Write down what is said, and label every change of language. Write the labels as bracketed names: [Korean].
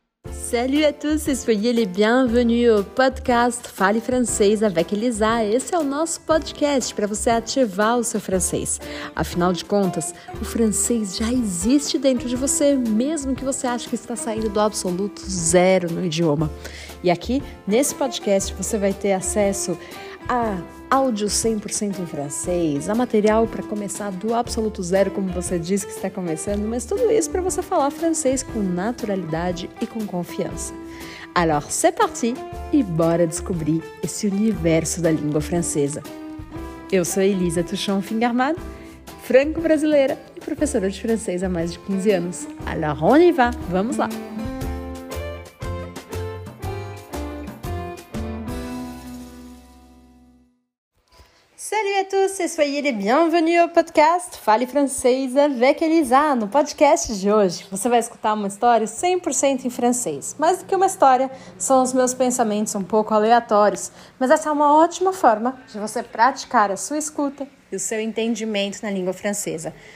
[French] Salut à tous et soyez les bienvenus au podcast Fale Francês avec Elisa. [Portuguese] Esse é o nosso podcast para você ativar o seu francês. Afinal de contas, o francês já existe dentro de você, mesmo que você ache que está saindo do absoluto zero no idioma. E aqui, nesse podcast, você vai ter acesso a áudio 100% em francês, a material para começar do absoluto zero, como você disse que está começando, mas tudo isso para você falar francês com naturalidade e com confiança. [French] Alors, c'est parti [Portuguese] e bora descobrir esse universo da língua francesa. Eu sou Elisa Touchon Fingarmad, franco-brasileira e professora de francês há mais de 15 anos. [French] Alors, on y va, [Portuguese] vamos lá! [French] Salut à tous et soyez les bienvenus au podcast Fale Francês avec Elisa. [Portuguese] No podcast de hoje, você vai escutar uma história 100% em francês. Mais do que uma história, são os meus pensamentos um pouco aleatórios. Mas essa é uma ótima forma de você praticar a sua escuta e o seu entendimento na língua francesa.